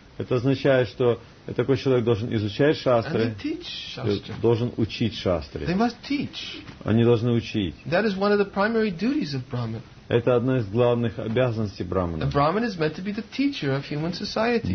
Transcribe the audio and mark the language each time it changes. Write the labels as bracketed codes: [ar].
[ru] Это означает, что такой человек должен изучать шастры. [en] And they teach shastra. [ru] Должен учить шастры. [en] They must teach. [ru] Они должны учить. [en] That is one of the primary duties of brahman. [ru] Это одна из главных обязанностей брахмана. [en] The brahman is meant to be the teacher of human society.